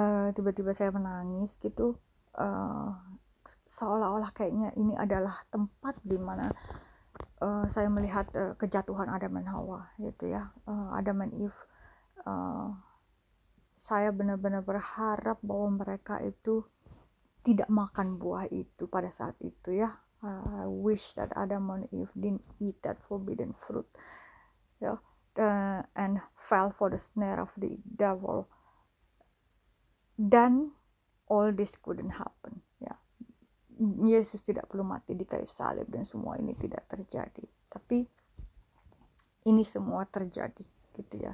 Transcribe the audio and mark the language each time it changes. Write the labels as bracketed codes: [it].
[id] Tiba-tiba saya menangis gitu, seolah-olah kayaknya ini adalah tempat di mana saya melihat kejatuhan Adam dan Hawa gitu, ya. Adam and Eve, saya benar-benar berharap bahwa mereka itu tidak makan buah itu pada saat itu, ya. [en] I wish that Adam and Eve didn't eat that forbidden fruit, ya. And fell for the snare of the devil. Then all this couldn't happen. Ya. [id] Yesus tidak perlu mati di kayu salib dan semua ini tidak terjadi. Tapi ini semua terjadi, gitu, ya.